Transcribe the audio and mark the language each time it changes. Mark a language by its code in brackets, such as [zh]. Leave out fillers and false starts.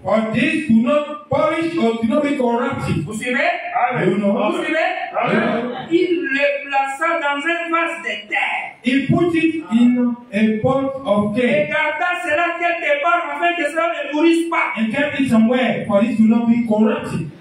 [en] For this to not polish or to not be corrupted. [fr] Vous suivez? [en] Amen. You know. [fr] Vous suivez? [en] Amen. [fr] Il le plaça dans un vase de terre. [en] He put it in a pot of terre. [fr] Et garda cela quelque part afin que cela ne pourrisse pas. [en] And kept it somewhere for this to not be corrupted.